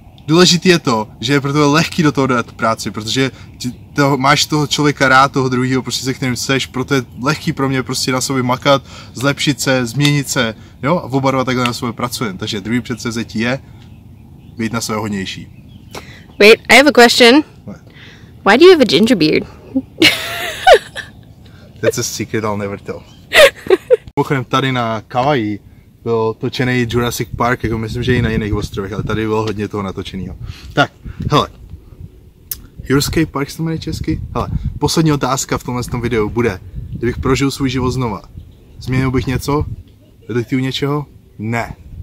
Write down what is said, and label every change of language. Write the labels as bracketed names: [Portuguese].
[Czech] Důležité je to, že je pro tebe lehký do toho dát práci, protože to, máš toho člověka rád, toho druhého, prostě se kterým seš, proto je lehký pro mě prostě na sobě makat, zlepšit se, změnit se, jo, a oba dva takhle na sobě pracujeme. Takže druhý předsevzetí je být na sobě hodnější. [English] Wait, I have a question. Why do you have a ginger beard? That's a secret I'll never tell. [Czech] Pochodem tady na Kauai byl točený Jurassic Park, jako myslím, že i na jiných ostrovech, ale tady bylo hodně toho natočeného. Tak, hele. Jurassic Park se to jmenuje česky? Hele, poslední otázka v tomhle tom videu bude, kdybych prožil svůj život znova, změnil bych něco? Litiju něčeho? Ne.